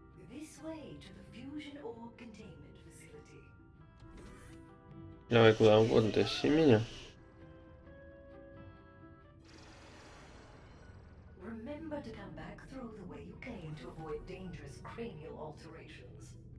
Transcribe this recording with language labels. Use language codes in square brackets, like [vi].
[en] This way to the fusion or containment facility. [ru] Давай куда угодно, тащи меня. [en] Remember to come back through the way you came to avoid dangerous cranial alterations.